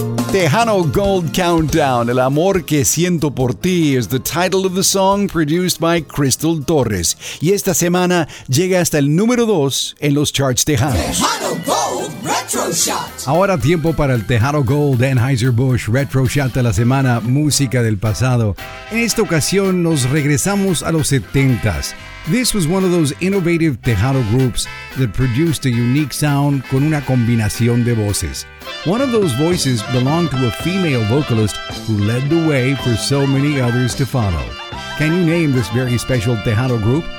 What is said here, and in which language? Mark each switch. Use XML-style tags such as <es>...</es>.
<en>Tejano Gold Countdown, El Amor Que Siento Por Ti is the title of the song produced by Crystal Torres.</en> <es>Y esta semana llega hasta el número 2 en los charts tejanos.</es> <en>Tejano Gold Retro Shot.</en> <es>Ahora tiempo para el Tejano Gold Anheuser-Busch Retro Shot de la semana, música del pasado. En esta ocasión nos regresamos a los 70s.</es> <en>This was one of those innovative Tejano groups that produced a unique sound con una combinación de voces. One of those voices belonged to a female vocalist who led the way for so many others to follow. Can you name this very special Tejano group?</en>